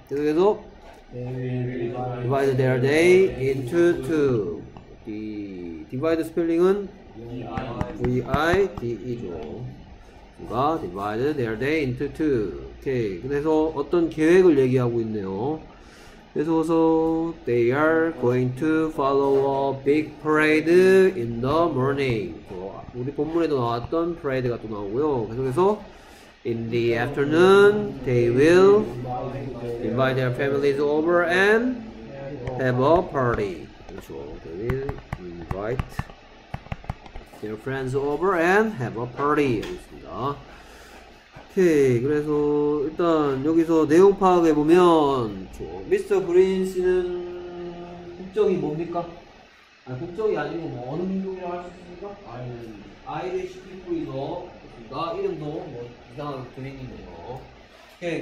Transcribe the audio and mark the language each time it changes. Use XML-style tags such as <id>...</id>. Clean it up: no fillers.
<ko>계속해서</ko> <en>divide their day into two.</en> <ko>Divide 스펠링은 V-I-D-E죠. 누가</ko> <en>divide their day into two. 오케이.</en> <ko>그래서 어떤 계획을 얘기하고 있네요. 그래서</ko> <en>they are going to follow a big parade in the morning.</en> <ko>우리 본문에도 나왔던 parade가 또 나오고요. 계속해서</ko> <en>in the afternoon they will invite their families over and have a party.</en> <ko>그렇죠.</ko> <en>They will invite their friends over and have a party.</en> <ko>알겠습니다. 오케이. 그래서 일단 여기서 내용 파악해 보면, 미스터 그린 씨는 국적이 뭡니까? 아니, 국적이 아니고 뭐 어느 민족이라고 할 수 있습니까? 아이는 아이리시 피플이죠. 그니까 이름도 뭐 이상하게 그린이네요. 오케이.</ko>